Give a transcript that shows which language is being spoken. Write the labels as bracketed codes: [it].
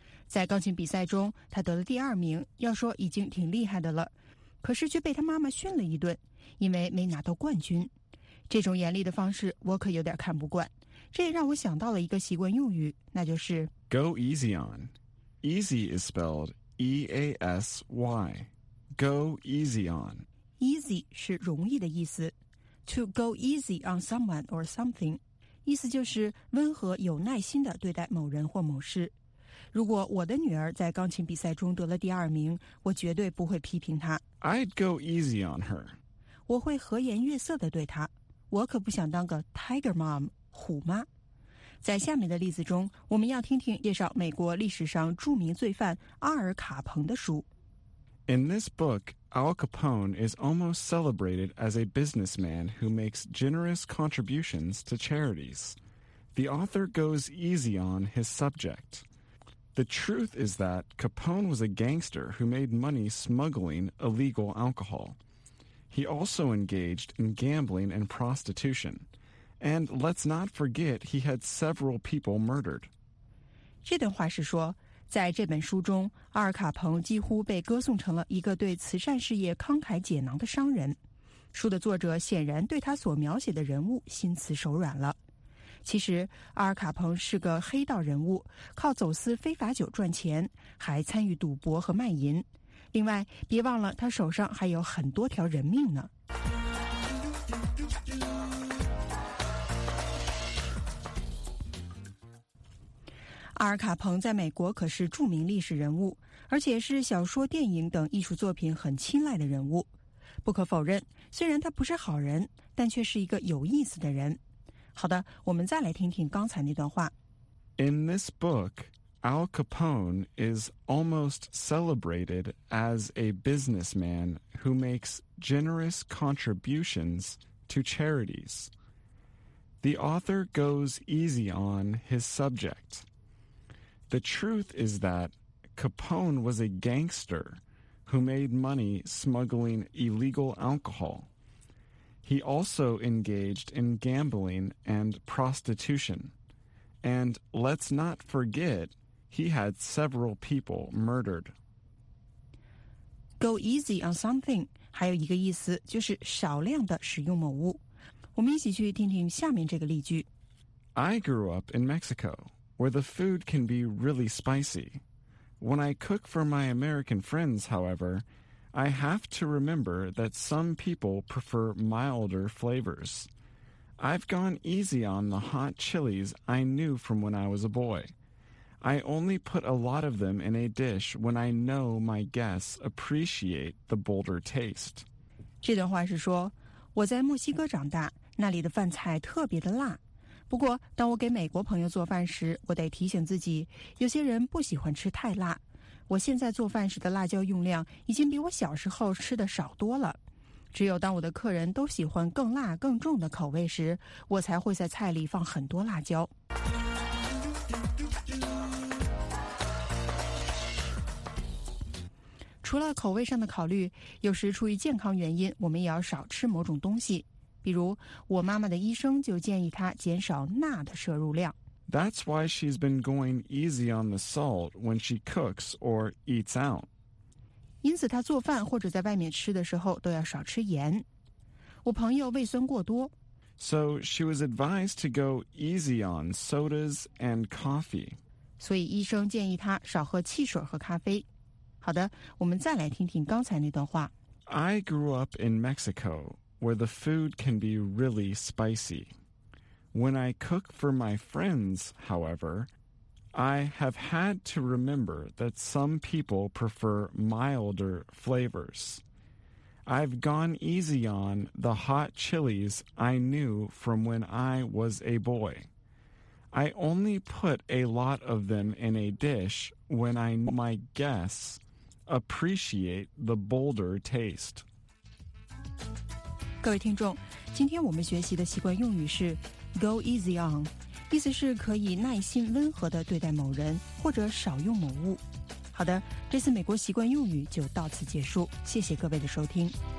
[zh] 在钢琴比赛中，她得了2nd，要说已经挺厉害的了，可是却被她妈妈训了一顿，因为没拿到冠军。这种严厉的方式我可有点看不惯，这也让我想到了一个习惯用语，那就是 [en] Go easy onEasy is spelled E-A-S-Y. Go easy on. [zh] Easy 是容易的意思。 [en] To go easy on someone or something. [zh] 意思就是温和有耐心地对待某人或某事。如果我的女儿在钢琴比赛中得了2nd，我绝对不会批评她。 [en] I'd go easy on her. [zh] 我会和颜悦色地对她。我可不想当个 tiger mom, 虎妈。在下面的例子中，我们要听听介绍美国历史上著名罪犯阿尔卡彭的书。 [en] In this book, Al Capone is almost celebrated as a businessman who makes generous contributions to charities. The author goes easy on his subject. The truth is that Capone was a gangster who made money smuggling illegal alcohol. He also engaged in gambling and prostitution. And let's not forget he had several people murdered. [zh] 这段话是说，在这本书中，阿尔卡彭几乎被歌颂成了一个对慈善事业慷慨解囊的商人。书的作者显然对他所描写的人物心慈手软了。其实，阿尔卡彭是个黑道人物，靠走私非法酒赚钱，还参与赌博和卖淫。另外，别忘了他手上还有很多条人命呢。阿尔卡彭在美国可是著名历史人物，而且是小说、电影等艺术作品很青睐的人物。不可否认，虽然他不是好人，但却是一个有意思的人。好的，我们再来听听刚才那段话。 [en] In this book, Al Capone is almost celebrated as a businessman who makes generous contributions to charities. The author goes easy on his subject. The truth is that Capone was a gangster who made money smuggling illegal alcohol. He also engaged in gambling and prostitution. And let's not forget, he had several people murdered. [zh] Go easy on something 还有一个意思就是少量的使用某物。我们一起去听听下面这个例句。 [en] I grew up in Mexico, where the food can be really spicy. When I cook for my American friends, however, I have to remember that some people prefer milder flavors. I've gone easy on the hot chilies I knew from when I was a boy. I only put a lot of them in a dish when I know my guests appreciate the bolder taste. [zh] 这段话是说，我在墨西哥长大，那里的饭菜特别的辣。不过，当我给美国朋友做饭时，我得提醒自己，有些人不喜欢吃太辣。我现在做饭时的辣椒用量已经比我小时候吃的少多了。只有当我的客人都喜欢更辣、更重的口味时，我才会在菜里放很多辣椒。除了口味上的考虑，有时出于健康原因，我们也要少吃某种东西。比如，我妈妈的医生就建议她减少钠的摄入量。 [en] That's why she's been going easy on the salt when she cooks or eats out. [zh] 因此她做饭或者在外面吃的时候都要少吃盐。我朋友胃酸过多。 [en] So she was advised to go easy on sodas and coffee. [zh] 所以医生建议她少喝汽水和咖啡。好的，我们再来听听刚才那段话。 [en] I grew up in Mexico, where the food can be really spicy. When I cook for my friends, however, I have had to remember that some people prefer milder flavors. I've gone easy on the hot chilies I knew from when I was a boy. I only put a lot of them in a dish when I knew my guests... appreciate the bolder taste. [zh] 各位听众，今天我们学习的习惯用语是 go easy on， 意思是可以耐心温和地对待某人或者少用某物。好的，这次美国习惯用语就到此结束，谢谢各位的收听。